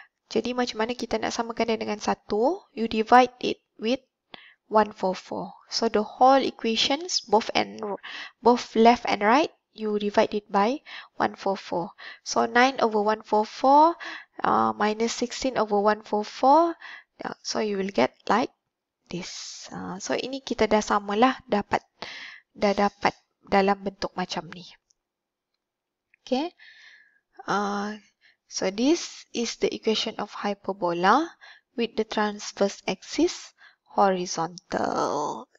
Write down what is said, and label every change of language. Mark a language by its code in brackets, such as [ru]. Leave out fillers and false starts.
[ms] Jadi, macam mana kita nak samakan dia dengan 1? [en] You divide it with 144. So, the whole equations, both left and right, you divide it by 144. So, 9 over 144 minus 16 over 144. So, you will get like this. [ms] So, ini kita dah samalah dapat. Dah dapat dalam bentuk macam ni. [en] Okay. So, this is the equation of hyperbola with the transverse axis horizontal.